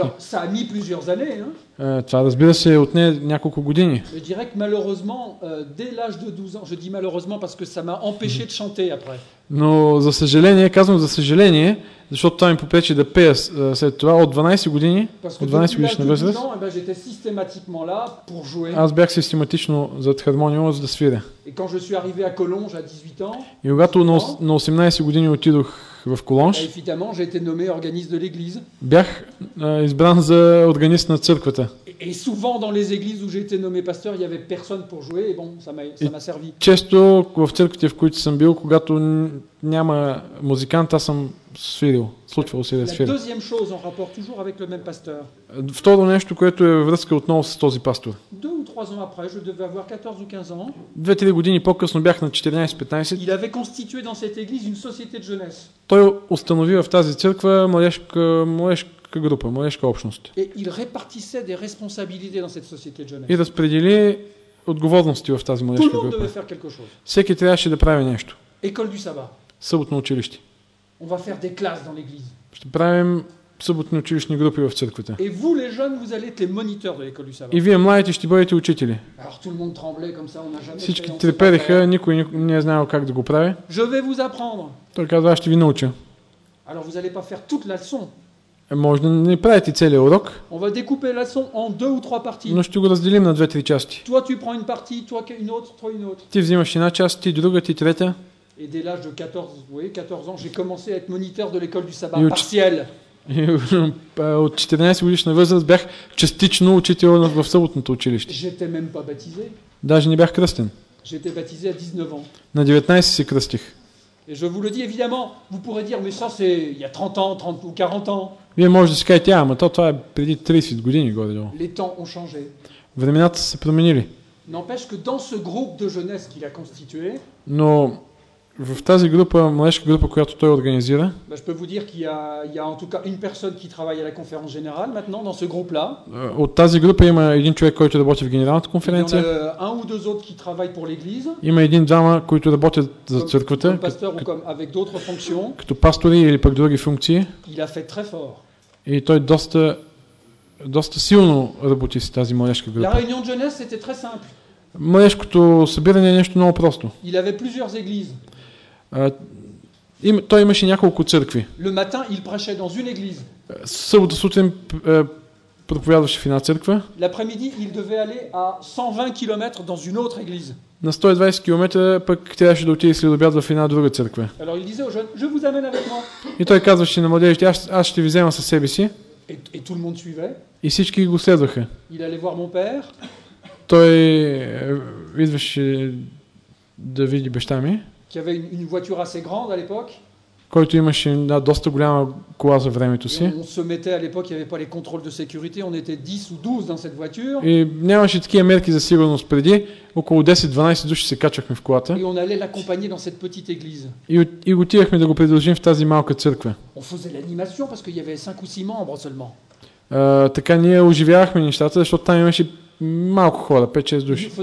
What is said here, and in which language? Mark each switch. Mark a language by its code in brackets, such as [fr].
[fr] Alors, ça a mis plusieurs années, hein? [bg] Това разбира се отне няколко години. [fr] Je dirais que malheureusement, dès l'âge de 12 ans, je dis malheureusement parce que ça m'a empêché de chanter après. [bg] Но за съжаление, казвам за съжаление, защото това ми попречи да пея след това от 12 години. От 12 годишна възраст. [fr] Et ben j'étais systématiquement là pour jouer. [bg] Аз бях систематично зад хармониума, за да свиря. [fr] Et quand je suis arrivé à Collonges à 18 ans. [bg] И когато на 18 години отидох в Колонж. [fr] Évidemment, j'ai été nommé organiste de l'église. [bg] Бях избран за органист на църквата. [fr] Et souvent dans les églises où j'ai été nommé pasteur, il y avait personne pour jouer et bon, ça m'a servi. [bg] Често в църквите, в които съм бил, когато няма музикант, аз съм свирил. Случвало се да свиря. [fr] La deuxième chose en rapport toujours avec le même pasteur. [bg] Второ нещо, което е връзка отново с този пастор. [fr] Deux ou trois ans après, je devais avoir 14 ou 15 ans. [bg] 2-3 години по-късно бях на 14-15. [fr] Il avait constitué dans cette église une société de jeunesse. [bg] Той установи в тази църква младежка група, младежка общност. [fr] Et il répartissait des responsabilités dans cette société de jeunesse. [bg] И разпредели отговорности в тази младежка група. [fr] Tout le monde devait faire quelque chose. [bg] Всеки трябваше да прави нещо. [fr] École du sabbat. [bg] Съботно училище. [fr] On va faire des classes dans l'église. [bg] Ще правим съботни училищни групи в църквата. [fr] Et vous les jeunes, vous allez être les moniteurs de l'école du sabbat. [bg] И вие младите ще бъдете учители. [fr] Alors tout le monde tremblait comme ça, on n'a jamais fait. [bg] Всички трепереха, никой не е знаел как да го прави. [fr] Je vais vous apprendre. [bg] Той казва, ще ви науча. [fr] Alors vous allez pas faire toute la leçon. [bg] Може да не правите целия урок. [fr] On va découper la leçon en deux ou trois parties. [bg] Но ще го разделим на 2-3 части. [fr] Toi tu prends une partie, toi une autre, toi une autre. [bg] Ти взимаш една част, ти друга, ти трета. [fr] Et dès l'âge de 14 ans, j'ai commencé à être moniteur de l'école du sabbat partiel. [bg] От 14 годишна възраст бях частично учител в съботното училище. [fr] J'étais même pas baptisé. [bg] Даже не бях кръстен. [fr] J'étais baptisé à 19 ans. [bg] На 19 се кръстих. [fr] Et je vous le dis évidemment, vous pourrez dire mais ça c'est il y a 30 ans, 30 ou 40 ans. [bg] Вие може да си кажете, ама това е преди 30 години горе-долу. [fr] Les temps ont changé. [bg] Времената се променили. [fr] N'empêche que dans ce groupe de jeunesse qu'il a constitué, [bg] но в тази група, младежка група, която той организира. [fr] Je peux vous dire qu'il y a en tout cas une personne qui travaille à la conférence générale maintenant dans ce groupe-là. [bg] От тази група има един човек, който работи в генералната конференция. [fr] Un ou deux autres qui travaillent pour l'église. [bg] Има един двама, които работят за църквата. [fr] Comme pasteur ou comme avec d'autres fonctions. [bg] Като пастори или пък други функции. [fr] Il a fait très fort. [bg] И той доста силно работи с тази младежка група. [fr] La réunion de jeunesse c'était très simple. [bg] Младежкото събиране е нещо много просто. [fr] Il avait plusieurs églises. [bg] Той имаше няколко църкви. [fr] Le matin, il prêchait dans une église. [bg] Събота сутрин проповядваше в една църква. [fr] L'après-midi, il devait aller à 120 km dans une autre église. [bg] На 120 км пък трябваше да отиде след обяд в една друга църква. [fr] Alors il disait aux jeunes, je vous amène avec moi. [bg] И той казваше на младежите, аз ще ви взема със себе си. [fr] Et tout le monde suivait. [bg] И всички го следваха. [fr] Il allait voir mon père. [bg] Той идваше да види баща ми. [fr] Qui avait une voiture assez grande à l'époque. [bg] Който имаше една доста голяма кола за времето си. [fr] On se mettait à l'époque, il y avait pas les contrôles de sécurité, on était 10 ou 12 dans cette voiture. [bg] И нямаше такива мерки за сигурност преди. Около 10-12 души се качвахме в колата. [fr] Et on allait l'accompagner dans cette petite église. [bg] И отивахме да го предложим в тази малка църква. [fr] On faisait l'animation parce qu'il y avait 5 ou 6 membres seulement. [bg] Така ние оживявахме нещата, защото там имаше малко хора, 5-6 души.